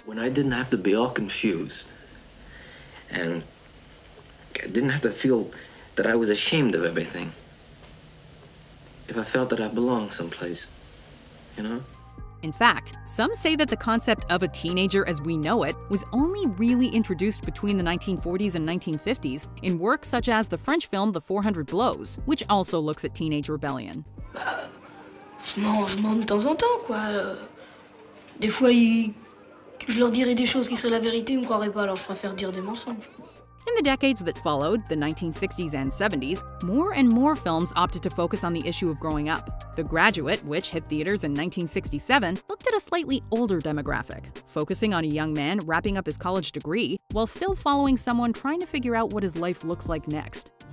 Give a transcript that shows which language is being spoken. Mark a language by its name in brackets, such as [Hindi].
[English] When I didn't have to be all confused, and I didn't have to feel that I was ashamed of everything, if I felt that I belonged someplace, you know? In fact, some say that the concept of a teenager as we know it was only really introduced between the 1940s and 1950s in works such as the French film The 400 Blows, which also looks at teenage rebellion. [French] Bah, on se mange de temps en temps, quoi. Des fois, je leur dirai des choses qui seraient la vérité, ils me croiraient pas, alors je préfère dire des mensonges. [English] In the decades that followed, the 1960s and 70s, more and more films opted to focus on the issue of growing up. The Graduate, which hit theaters in 1967, looked at a slightly older demographic, focusing on a young man wrapping up his college degree while still following someone trying to figure out what his life looks like next.